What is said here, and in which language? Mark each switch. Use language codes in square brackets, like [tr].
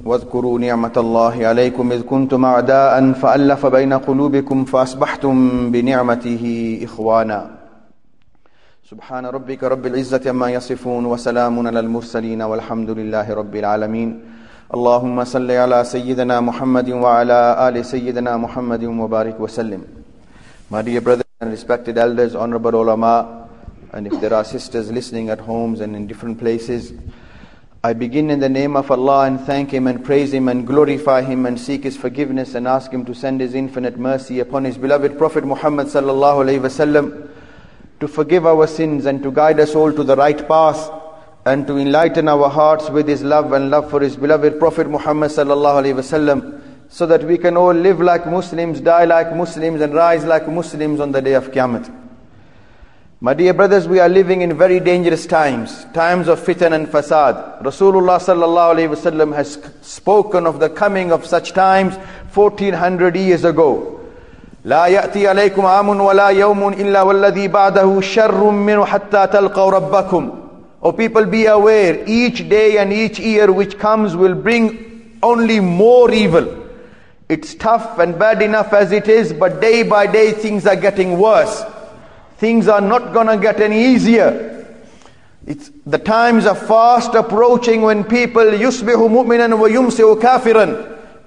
[ar] واذكروا نعمة الله عليكم إذ كنتم أعداء فألف بين قلوبكم فأصبحتم بنعمته إخوانا. سبحان ربك رب العزة عما يصفون وسلام على المرسلين والحمد لله رب العالمين. اللهم صل على سيدنا محمد وعلى آل سيدنا محمد وبارك وسلم. [en] My dear brothers and respected elders, honorable ulama, and if there are sisters listening at homes and in different places, I begin in the name of Allah and thank Him and praise Him and glorify Him and seek His forgiveness and ask Him to send His infinite mercy upon His beloved Prophet Muhammad sallallahu alayhi wa sallam, to forgive our sins and to guide us all to the right path and to enlighten our hearts with His love and love for His beloved Prophet Muhammad sallallahu alayhi wa sallam, so that we can all live like Muslims, die like Muslims and rise like Muslims on the day of Qiyamah. My dear brothers, we are living in very dangerous times, times of fitan and fasad. Rasulullah sallallahu alayhi wa sallam has spoken of the coming of such times 1400 years ago. [ar] لا يأتي عليكم عام ولا يوم إلا والذي بعده شر منه حتى تلقوا ربكم. [en] O people, be aware, each day and each year which comes will bring only more evil. It's tough and bad enough as it is, but day by day things are getting worse. Things are not gonna get any easier. It's the times are fast approaching when people [ar] يُصْبِحُ مُؤْمِنًا وَيُمْسِهُ كَافِرًا.